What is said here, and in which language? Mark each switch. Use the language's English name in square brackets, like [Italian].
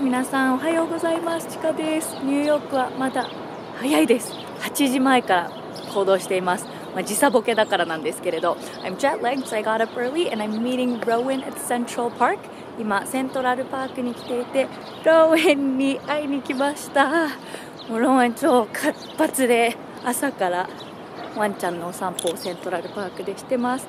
[Japanese] 皆さん、おはようございます。 Chika です。ニューヨークはまだ早いです。8時前から行動しています。まあ、時差ボケだからなんですけれど。 [English] I'm jet-lagged, so I got up early, and I'm meeting Rowan at Central Park. [Japanese] 今、セントラルパークに来ていて、Rowanに会いに来ました。もう、Rowan超活発で、朝からワンちゃんのお散歩をセントラルパークでしてます。